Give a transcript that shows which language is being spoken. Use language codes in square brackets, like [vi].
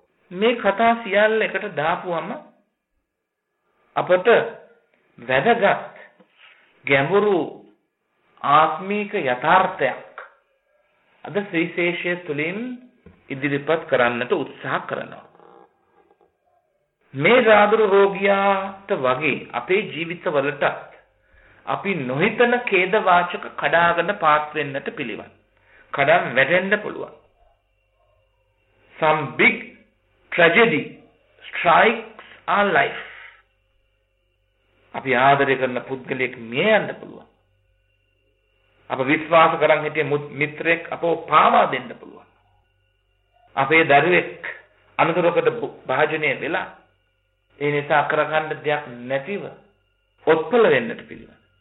[si] මේ කතා සියල්ල එකට දාපුවම අපට වැදගත් ගැඹුරු ආත්මික යථාර්ථයක් අද ශ්‍රීශේෂය තුළින් ඉදිරිපත් කරන්නට උත්සාහ කරනවා. මේ රාදුරු රෝගියාට වගේ අපේ ජීවිතවලටත් අපි නොහිතන ඛේදවාචක කඩාගෙන පාත් වෙන්නට පිළිවන්. කඩම් වැටෙන්න පුළුවන්. [en] Some big tragedy strikes our life. [si] අපි ආදරය කරන පුද්ගලයෙක් මිය යන්න පුළුවන්. අප විශ්වාස කරන් හිටිය මිත්‍රයෙක් අපව පාවා දෙන්න පුළුවන්. අපේ දරුවෙක් අනතුරකට භාජනය වෙලා ඒ නිසා කරගන්න දෙයක් නැතිව ඔත්පල වෙන්නට පිළිවන්.